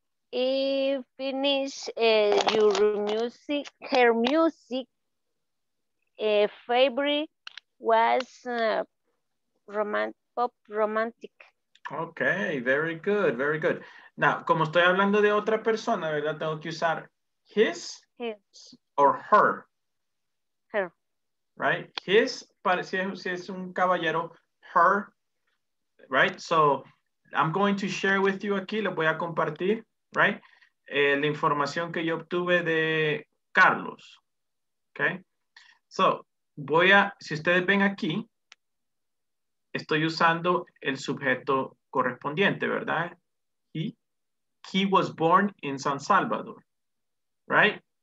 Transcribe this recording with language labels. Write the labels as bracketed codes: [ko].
[en] He finished your music, her music, favorite was pop romantic. Okay, very good, very good. [es] Now, como estoy hablando de otra persona, ¿verdad? Tengo que usar [en] his or her. Her. Right? His, [es] para, si es un caballero, [en] her. Right? So, I'm going to share with you [es] aquí, lo voy a compartir, [en] right? [es] La información que yo obtuve de Carlos. Okay? So, voy a, si ustedes ven aquí, estoy usando el sujeto correspondiente, ¿verdad? [en] He was born in San Salvador, right?